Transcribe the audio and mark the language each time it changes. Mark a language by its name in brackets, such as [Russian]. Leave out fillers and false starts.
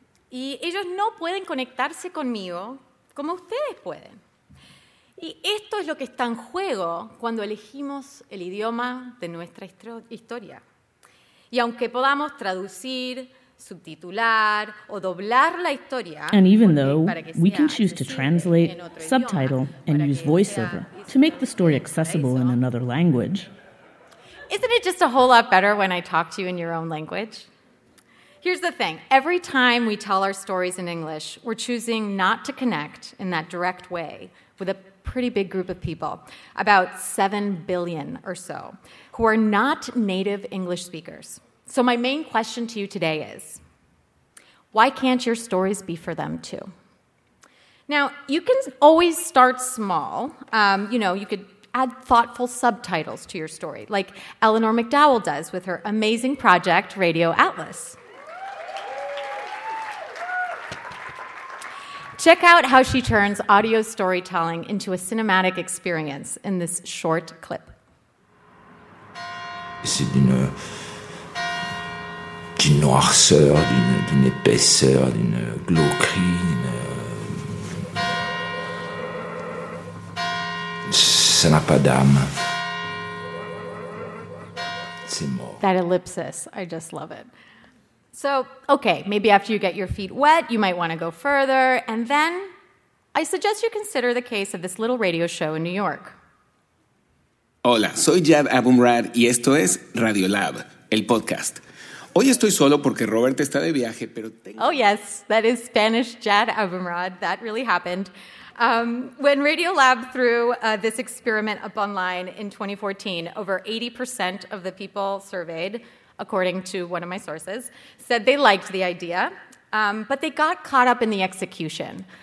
[Spanish] Y ellos no pueden conectarse conmigo como ustedes pueden. Y esto es lo que está en juego cuando elegimos el idioma de nuestra historia. Y aunque podamos traducir, subtitular, o doblar la historia, [English] and even though we can choose to translate, subtitle, and use voiceover to make the story accessible in another language. Isn't it just a whole lot better when I talk to you in your own language? Here's the thing. Every time we tell our stories in English, we're choosing not to connect in that direct way with a pretty big group of people, about 7 billion or so, who are not native English speakers. So my main question to you today is, why can't your stories be for them too? Now, you can always start small. You could add thoughtful subtitles to your story, like Eleanor McDowell does with her amazing project, Radio Atlas. Check out how she turns audio storytelling into a cinematic experience in this short clip. [French] D'une noirceur, d'une épaisseur, d'une glauquerie, ça n'a pas d'âme. C'est mort. [English] That ellipsis, I just love it. So, okay, maybe after you get your feet wet, you might want to go further, and then I suggest you consider the case of this little radio show in New York. [Spanish] Hola, soy Jad Abumrad, y esto es Radiolab, el podcast. Hoy estoy solo porque Robert está de viaje, pero tengo... [English] Oh, yes, that is Spanish Jad Abumrad. That really happened. When Radiolab threw this experiment up online in 2014, over 80% of the people surveyed, according to one of my sources, said they liked the idea, but they got caught up in the execution.